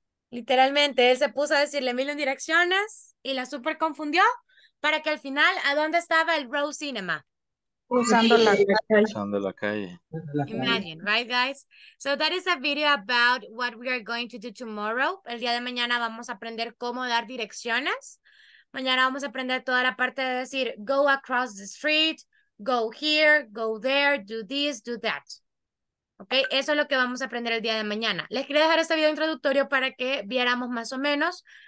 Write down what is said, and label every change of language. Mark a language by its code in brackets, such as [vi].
[es] Literalmente, él se puso a decirle mil direcciones y la super confundió para que al final, ¿a dónde estaba el Rose Cinema? Usando la calle. Usando la calle. [en] Imagine, right, guys? So that is a video about what we are going to do tomorrow. [es] El día de mañana vamos a aprender cómo dar direcciones. Mañana vamos a aprender toda la parte de decir, [en] go across the street, go here, go there, do this, do that. [es] Ok, eso es lo que vamos a aprender el día de mañana. Les quería dejar este video introductorio para que viéramos más o menos.